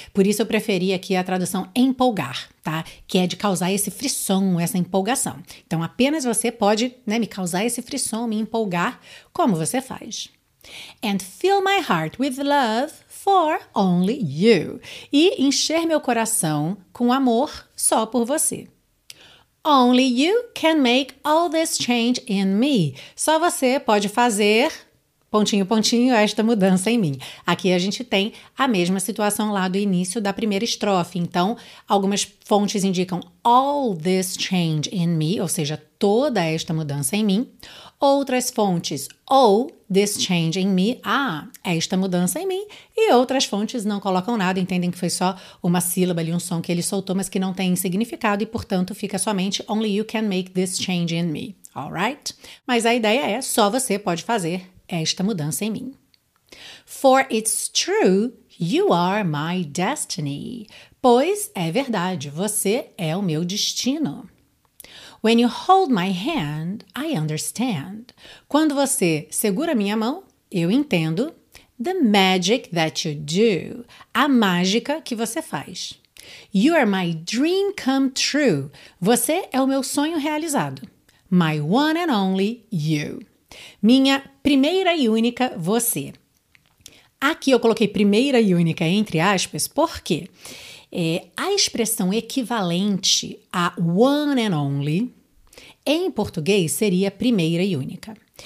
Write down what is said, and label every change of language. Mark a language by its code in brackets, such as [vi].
[pt] Por isso eu preferi aqui a tradução empolgar, tá? Que é de causar esse frisson, essa empolgação. Então apenas você pode, né, me causar esse frisson, me empolgar, como você faz. [en] And fill my heart with love for only you. [pt] E encher meu coração com amor só por você. [en] Only you can make all this change in me. [pt] Só você pode fazer, pontinho, pontinho, esta mudança em mim. Aqui a gente tem a mesma situação lá do início da primeira estrofe. Então, algumas fontes indicam [en] all this change in me, [pt] ou seja, toda esta mudança em mim. Outras fontes, [en] all this change in me, [pt] ah, esta mudança em mim. E outras fontes não colocam nada, entendem que foi só uma sílaba ali, um som que ele soltou, mas que não tem significado e, portanto, fica somente [en] only you can make this change in me. All right? [pt] Mas a ideia é só você pode fazer esta mudança em mim. [en] For it's true, you are my destiny. [pt] Pois é verdade, você é o meu destino. [en] When you hold my hand, I understand. [pt] Quando você segura minha mão, eu entendo. [en] The magic that you do. [pt] A mágica que você faz. [en] You are my dream come true. [pt] Você é o meu sonho realizado. [en] My one and only you. [pt] Minha primeira e única você. Aqui eu coloquei primeira e única entre aspas, porque a expressão equivalente a [en] one and only [pt] em português seria primeira e única.